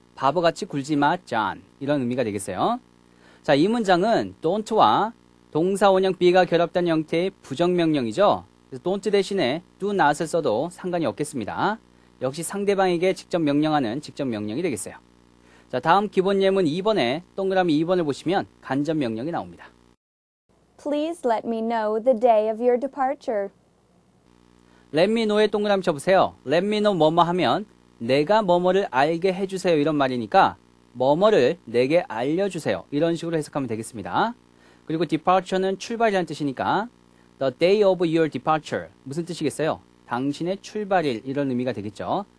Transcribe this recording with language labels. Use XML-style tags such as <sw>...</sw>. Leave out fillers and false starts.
<ko>바보같이 굴지 마, John. 이런 의미가 되겠어요. 자, 이 문장은 don't와 동사 원형 be가 결합된 형태의 부정명령이죠. 그래서 don't 대신에 do not을 써도 상관이 없겠습니다. 역시 상대방에게 직접 명령하는 직접 명령이 되겠어요. 자, 다음 기본 예문 2번에 동그라미 2번을 보시면 간접 명령이 나옵니다.</ko> <en>Please let me know the day of your departure.</en> <ko>Let me know의 동그라미 쳐보세요. Let me know 뭐뭐 하면 내가 뭐뭐를 알게 해주세요 이런 말이니까 뭐뭐를 내게 알려주세요 이런 식으로 해석하면 되겠습니다. 그리고 departure는 출발이라는 뜻이니까</ko> <en>the day of your departure</en> <ko>무슨 뜻이겠어요? 당신의 출발일 이런 의미가 되겠죠.</ko>